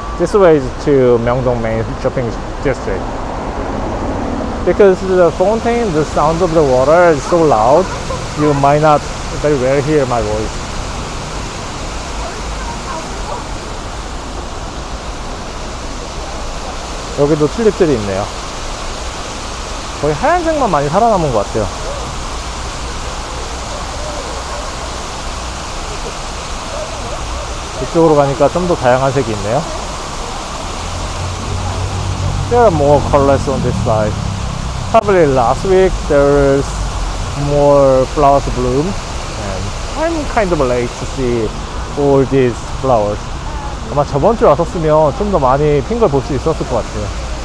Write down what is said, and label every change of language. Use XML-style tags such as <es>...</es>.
<en>This way is to 명동 main shopping district. Because the fountain, the sound of the water is so loud, you might not very well hear my voice.</en> <ko>Oh, 여기도 튤립들이 있네요. 거의 하얀색만 많이 살아남은 것 같아요. 이쪽으로 가니까 좀 더 다양한 색이 있네요.</ko> <en>There are more colors on this side. Probably last week there's more flowers bloom. And I'm kind of late to see all these flowers.</en> <ko>아마 저번 주에 왔었으면 좀 더 많이 핀 걸 볼 수 있었을 것 같아요.</ko>